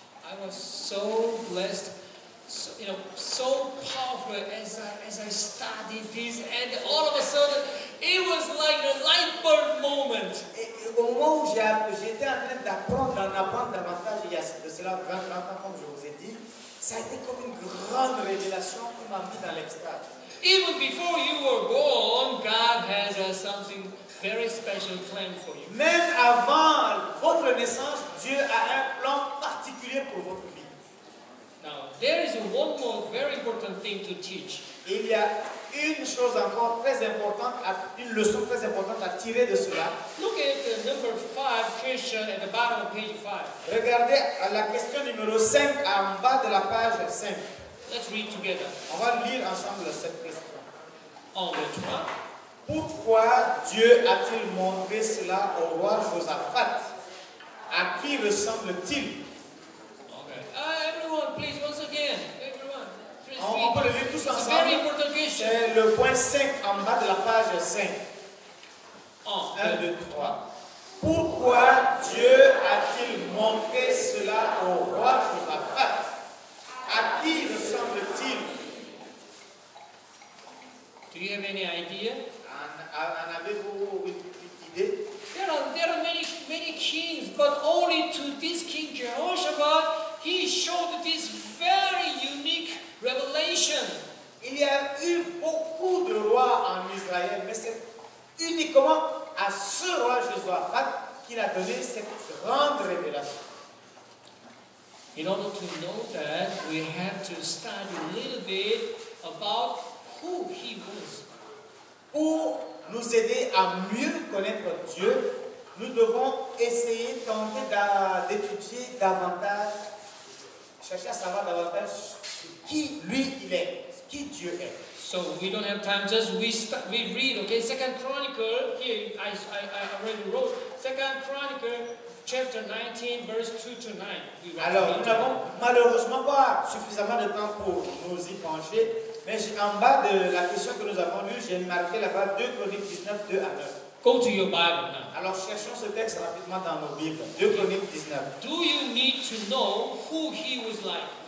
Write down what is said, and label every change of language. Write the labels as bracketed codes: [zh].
[en] I was so blessed, so powerful as I studied this, and all of a sudden it was like a light bulb moment. [fr] Et au moment où j'étais en train d'apprendre, en apprendre davantage, il y a de cela 20 ans, comme je vous ai dit, ça a été comme une grande révélation qui m'a mis dans l'extase. [en] Even before you were born, God has something very special plan for you. [fr] Même avant votre naissance, Dieu a un plan particulier pour votre vie. [en] Now, there is one more very important thing to teach. [fr] Il y a une chose encore très importante, une leçon très importante à tirer de cela. [en] Look at the number 5 question at the bottom of page 5. [fr] Regardez à la question numéro 5 en bas de la page 5. [en] Let's read together. [fr] On va lire ensemble cette question. En le droit. Pourquoi Dieu a-t-il montré cela au roi Jehoshaphat? À qui ressemble-t-il? Okay. [en] Everyone, please, once again. Everyone. [fr] On peut le lire tous ensemble. C'est le point 5 en bas de la page 5. 1, 2, 3. Pourquoi Dieu a-t-il montré cela au roi Jehoshaphat? À qui ressemble-t-il? [en] Do you have any idea? [fr] En avez-vous une idée? [en] There are many kings, but only to this king Jehoshaphat, he showed this very unique revelation. [fr] Il y a eu beaucoup de rois en Israël, mais c'est uniquement à ce roi Jehoshaphat qu'il a donné cette grande révélation. [en] In order to know that, we have to study a little bit about who he was. [fr] Pour nous aider à mieux connaître Dieu, nous devons essayer, tenter d'étudier davantage, chercher à savoir davantage qui lui il est, qui Dieu est. [en] So we don't have time, just we read, okay? Second Chronicle, here I already wrote, Second Chronicle, chapter 19, verse 2 to 9. [fr] Alors, nous n'avons malheureusement pas suffisamment de temps pour nous y pencher, mais en bas de la question que nous avons lue, j'ai marqué là-bas 2 Chroniques 19, 2 à 9. [en] Go to your Bible now. [fr] Alors cherchons ce texte rapidement dans nos Bibles. 2 Chroniques 19. [en] Do you need to know who he was like?